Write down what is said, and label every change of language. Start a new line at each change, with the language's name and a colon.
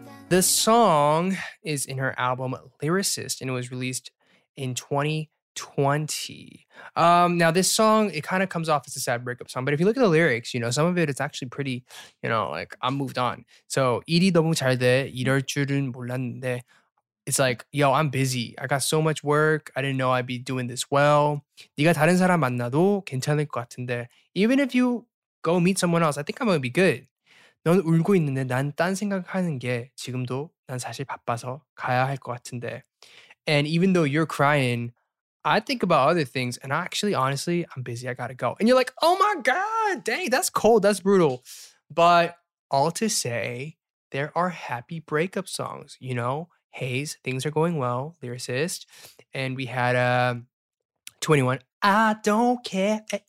English: The song is in her album Lyricist and it was released in 2020. Now this song, it kind of comes off as a sad breakup song, but if you look at the lyrics, you know, some of it, it's actually pretty, you know, like I'm moved on.
Korean: So 일이 너무 잘 돼 이럴 줄은 몰랐는데,
English: it's like, yo, I'm busy. I got so much work. I didn't know I'd be doing this well.
Korean: 네가 다른 사람 만나도 괜찮을 것 같은데,
English: even if you go meet someone else, I think I'm gonna be good.
Korean: 넌 울고 있는데 난 딴 생각하는 게 지금도 난 사실 바빠서 가야 할 것 같은데.
English: And even though you're crying, I think about other things. And I actually, honestly, I'm busy. I gotta go. And you're like, oh my God, dang, that's cold. That's brutal. But all to say, there are happy breakup songs. You know, Haze, Things Are Going Well, Lyricist. And we had 21, I Don't Care.